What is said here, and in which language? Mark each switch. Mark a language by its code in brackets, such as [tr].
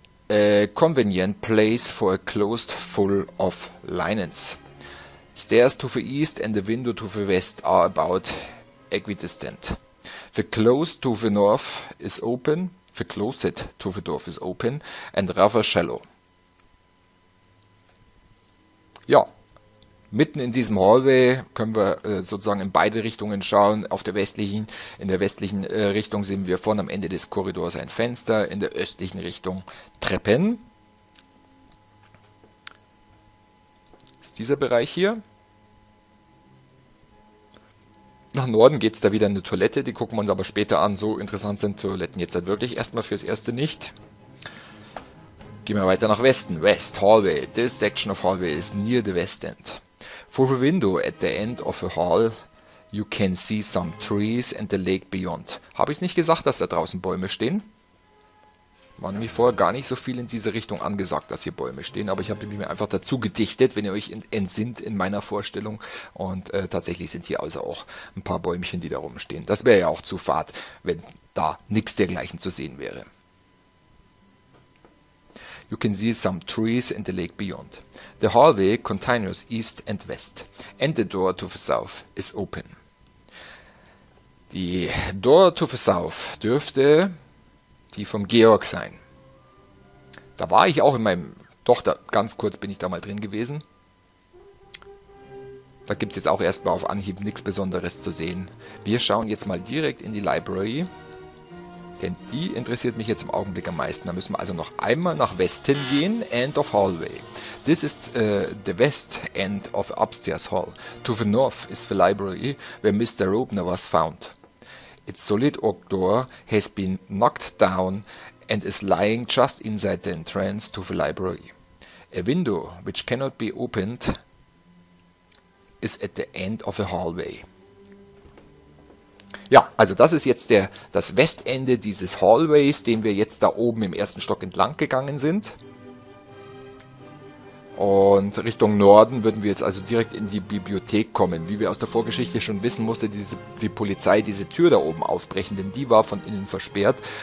[en] A convenient place for a closed full of linens. Stairs to the east and the window to the west are about equidistant. The closed to the north is open, the closet to the north is open and rather shallow. [de] Ja, mitten in diesem Hallway können wir sozusagen in beide Richtungen schauen. Auf der westlichen, in der westlichen Richtung sehen wir vorne am Ende des Korridors ein Fenster, in der östlichen Richtung Treppen. Das ist dieser Bereich hier. Nach Norden geht es da wieder in eine Toilette, die gucken wir uns aber später an. So interessant sind Toiletten jetzt halt wirklich erstmal fürs Erste nicht. Gehen wir weiter nach Westen. West Hallway. [en] This section of hallway is near the west end. Through the window at the end of the hall, you can see some trees and the lake beyond. [de] Habe ich es nicht gesagt, dass da draußen Bäume stehen? War nämlich vorher gar nicht so viel in diese Richtung angesagt, dass hier Bäume stehen. Aber ich habe mir einfach dazu gedichtet, wenn ihr euch entsinnt in meiner Vorstellung. Und tatsächlich sind hier also auch ein paar Bäumchen, die da rumstehen. Das wäre ja auch zu fad, wenn da nichts dergleichen zu sehen wäre. [en] You can see some trees and the lake beyond. The hallway continues east and west. And the door to the south is open. [de] Die [en] door to the south [de] dürfte die vom Georg sein. Da war ich auch in meinem... Doch, da, ganz kurz bin ich da mal drin gewesen. Da gibt es jetzt auch erstmal auf Anhieb nichts Besonderes zu sehen. Wir schauen jetzt mal direkt in die Library. Denn die interessiert mich jetzt im Augenblick am meisten. Da müssen wir also noch einmal nach Westen gehen. [en] End of Hallway. This is the west end of Upstairs Hall. To the north is the library where Mr. Rubner was found. Its solid oak door has been knocked down and is lying just inside the entrance to the library. A window, which cannot be opened, is at the end of the hallway. [de] Ja, also das ist jetzt das Westende dieses Hallways, den wir jetzt da oben im ersten Stock entlang gegangen sind. Und Richtung Norden würden wir jetzt also direkt in die Bibliothek kommen. Wie wir aus der Vorgeschichte schon wissen, musste die Polizei diese Tür da oben aufbrechen, denn die war von innen versperrt.